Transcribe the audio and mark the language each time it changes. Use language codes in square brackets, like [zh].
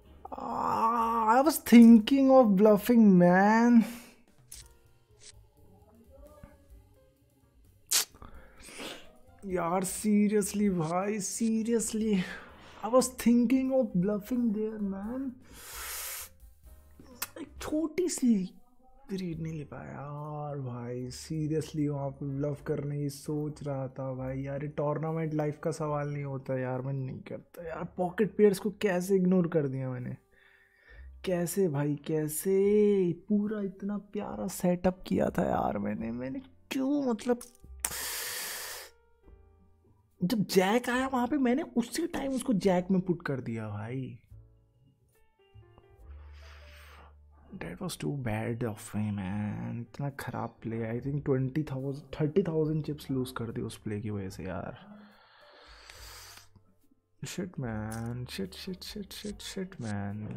[en] I was thinking of bluffing, man. Yaar, seriously bhai, seriously. I was thinking of bluffing there, man. [hi] एक छोटी सी read नहीं ले पाया यार भाई. Seriously वहाँ पर bluff करने की सोच रहा था भाई. यार टूर्नामेंट लाइफ का सवाल नहीं होता यार, मैं नहीं करता यार. पॉकेट पेयर्स को कैसे इग्नोर कर दिया मैंने, कैसे भाई कैसे. पूरा इतना प्यारा सेटअप किया था यार मैंने. मैंने क्यों, मतलब जब जैक आया वहां पे मैंने उसी टाइम उसको जैक में पुट कर दिया भाई. [en] That was too bad of me man. [hi] इतना खराब play. I think 30,000 chips loose कर दिए उस प्ले की वजह से यार. [en] Shit man, shit shit shit shit shit man.